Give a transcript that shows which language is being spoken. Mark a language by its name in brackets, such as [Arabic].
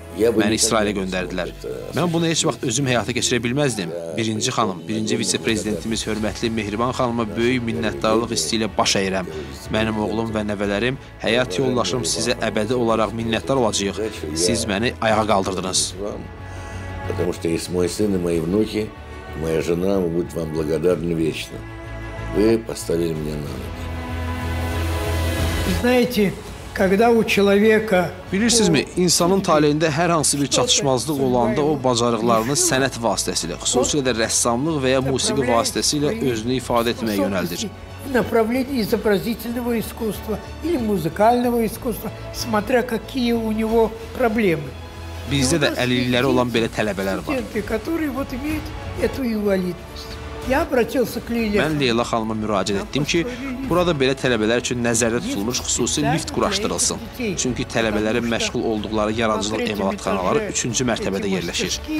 [Azerbaijani] Məni İsrailə göndərdilər. Mən bunu heç vaxt özüm həyata keçirə bilməzdim. Birinci xanım, birinci vitse-prezidentimiz hörmətli Mehriban xanıma böyük minnətdarlıq hissi ilə baş əyirəm. Mənim oğlum və nəvələrim, həyat yoldaşım sizə əbədi olaraq minnətdar olacaq. Siz məni ayağa qaldırdınız. [Russian] Потому что есть мой сын и мои внуки, моя жена, мы будем вам благодарны вечно. Вы поставили меня на ноги. Знаете, когда у человека... [Azerbaijani] Bilirsinizmi, insanın taleyində hər hansı bir çatışmazlıq olanda o bacarıqlarını sənət vasitəsilə, xüsusilə də rəssamlıq və ya musiqi vasitəsilə özünü ifadə etməyə yönəldir. [Russian] Направление изобразительного искусства или музыкального искусства, смотря какие у него проблемы. [Azerbaijani] Bizdə də əlillikləri olan belə tələbələr var. Mən Leyla xanıma müraciət etdim ki, burada belə tələbələr üçün nəzərdə tutulmuş xüsusi lift quraşdırılsın. Çünki tələbələrin məşğul olduqları yaradıcılıq emalatxanaları 3-cü mərtəbədə yerləşir.